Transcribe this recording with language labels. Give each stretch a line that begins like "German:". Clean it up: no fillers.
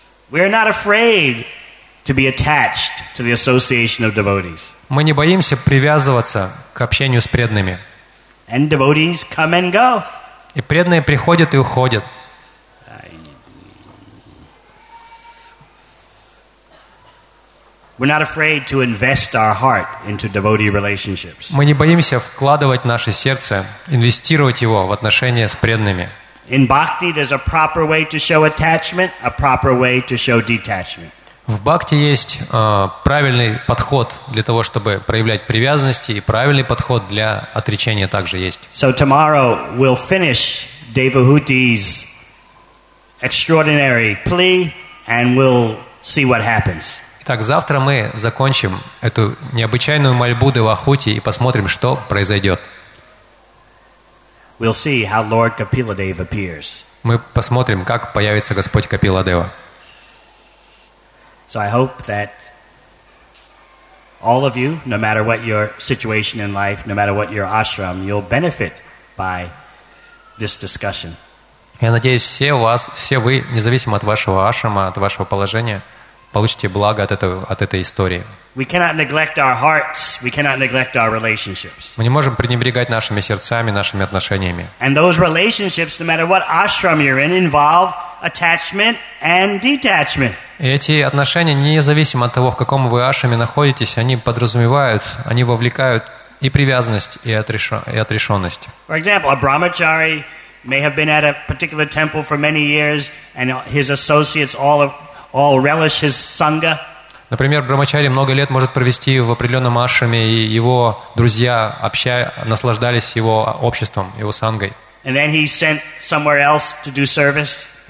English: We are not afraid to be attached to the association of devotees.
Russian: Мы не боимся привязываться к общению с преданными.
English: And devotees come and go.
Russian: И преданные приходят и уходят.
English: We're not afraid to invest our heart into devotee relationships.
Russian: Мы не боимся вкладывать наше сердце, инвестировать его в отношения с преданными.
English: In bhakti, there's a proper way to show attachment, a proper way to show detachment.
Russian: В бхакти есть правильный подход для того, чтобы проявлять привязанности, и правильный подход для отречения также есть.
English: So tomorrow we'll finish Devahuti's extraordinary plea, and we'll see what happens.
Russian: Итак, завтра мы закончим эту необычайную мольбу Девахути и посмотрим, что произойдет.
English: We'll see how Lord Kapiladev appears.
Russian: Мы посмотрим, как появится Господь Капиладева.
English: So I hope that all of you, no matter what your situation in life, no matter what your ashram, you'll benefit by this discussion.
Russian: Я надеюсь, все вы, независимо от вашего ашрама, от вашего положения, получите благо от этой истории.
English: We cannot neglect our hearts. We cannot neglect our relationships.
Russian: Мы не можем пренебрегать нашими сердцами, нашими отношениями.
English: And those relationships, no matter what ashram you're in, involve attachment and detachment.
Russian: И эти отношения, независимо от того, в каком вы ашраме находитесь, они подразумевают, они вовлекают и привязанность, и отрешенность.
English: For example, a brahmachari may have been at a particular temple for many years, and his associates all relish his sangha.
Russian: Например, брахмачари много лет может провести в определенном ашраме, и его друзья наслаждались его обществом, его сангой.
English: And then he sent somewhere else to do service.